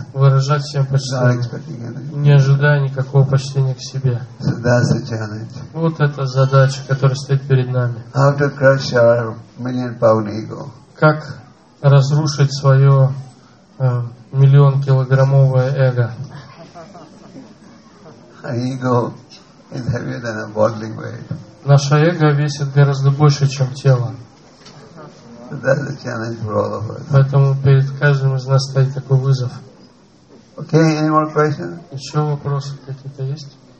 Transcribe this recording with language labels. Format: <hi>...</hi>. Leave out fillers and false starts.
<ru>Выражать всем почтение. Не ожидая никакого почтения к себе.</ru> <en>So that's the challenge.</en> <ru>Вот это задача, которая стоит перед нами.</ru> <en>How to crush our million-pound ego.</en> <ru>Как разрушить свое миллион-килограммовое эго?</ru> <en>Our ego is heavier than a bodily weight.</en> <ru>Наше эго весит гораздо больше, чем тело.</ru> <en>That's a challenge for all of us.</en> <ru>Поэтому перед каждым из нас стоит такой вызов.</ru> <en>Okay, any more questions?</en> <ru>Еще вопросы какие-то есть?</ru>